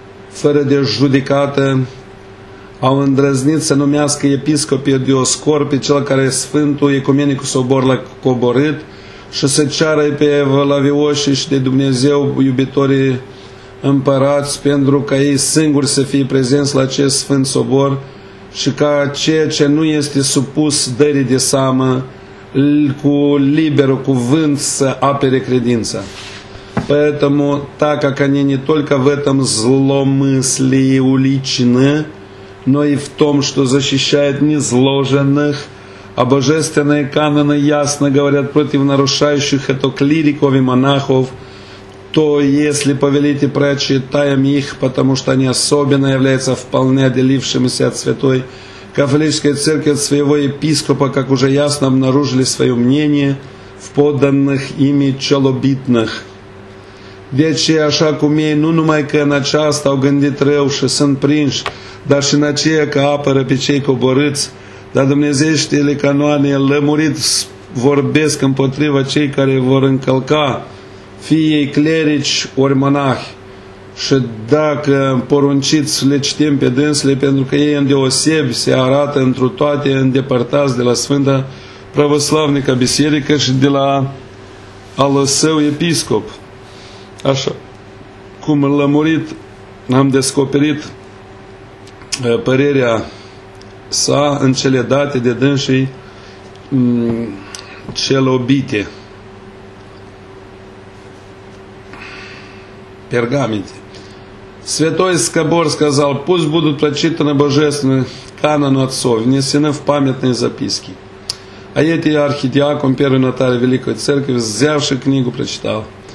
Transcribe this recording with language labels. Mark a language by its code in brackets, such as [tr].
[ro] fără de judecată, au îndrăznit să numească episcopii Dioscor pe cel care Sfântul Ecumenicul Sobor l-a coborât, și să ceară pe evlavioșii și de Dumnezeu iubitorii împărați pentru ca ei singuri să fie prezenți la acest Sfânt Sobor și ca ceea ce nu este supus dării de seamă cu liberul cuvânt să apere credința. [ru] Поэтому так как они не только в этом зломысли уличены, но и в том, что защищает низложенных, а божественные каноны ясно говорят против нарушающих это клириков и монахов, то если повелите, прочитаем их, потому что они особенно являются вполне отделившимися от Святой Католической Церкви, от своего епископа, как уже ясно обнаружили свое мнение в подданных ими челобитных. [ro] Deci așa cum ei, nu numai că în aceasta au gândit rău și sunt prinși, dar și în aceea că apără pe cei coborâți, dar Dumnezeieștile canoane lămurit vorbesc împotriva cei care vor încălca, fie ei clerici ori monahi. Și dacă porunciți, le citim pe dânsile, pentru că ei îndeosebi se arată întru toate îndepărtați de la Sfânta Pravoslavnică Biserică și de la al său episcop. Așa cum lămurit am descoperit părerea sa în cele date de dânsii celobite pergamente. [ru] Святой Скобор сказал, пусть будут прочитаны божественные каноны отцов, внесены в памятные записки. А эти архидиакон, первый нотарь Великой Церкви, взявши книгу, прочитал.